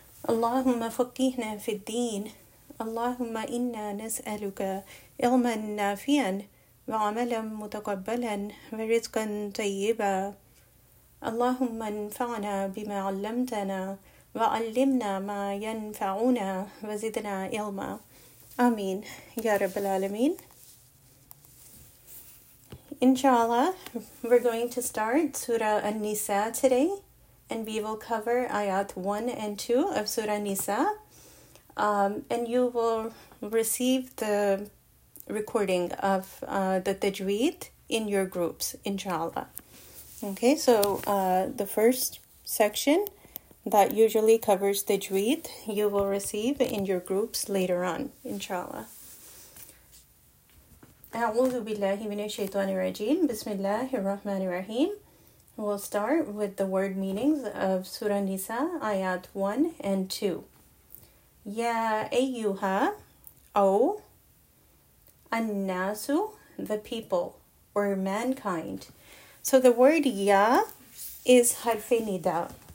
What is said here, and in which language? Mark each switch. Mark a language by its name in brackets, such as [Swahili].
[Arabic] اللهم فقهنا في الدين، اللهم إنا نسألك علما نافعا وعملا متقبلا ورزقا طيبا. اللهم انفعنا بما علمتنا وعلمنا ما ينفعنا وزدنا علما. آمين يا رب العالمين. [English] Inshallah, we're going to start Surah An-Nisa today, and we will cover Ayat 1 and 2 of Surah An-Nisa. And you will receive the recording of the Tajweed in your groups, inshallah. Okay, so the first section that usually covers Tajweed, you will receive in your groups later on, inshallah. [Arabic] أعوذ بالله من الشيطان الرجيم. بسم الله الرحمن الرحيم. [English] We'll start with the word meanings of Surah Nisa, Ayat 1 and 2. Ya ayyuha, O, an-nasu, the people, or mankind. So the word ya is harfi nida.